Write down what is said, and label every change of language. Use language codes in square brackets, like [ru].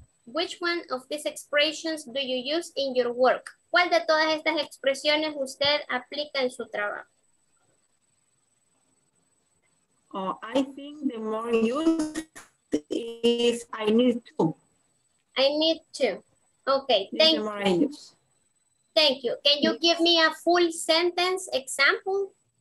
[en] Which one of these expressions do you use in your work? [es] ¿Cuál de todas estas expresiones usted aplica en su trabajo? [en] Oh, I think the more used is I need to. I need to. Okay, thank you. The more I use. Thank you. Can you give me a full sentence example?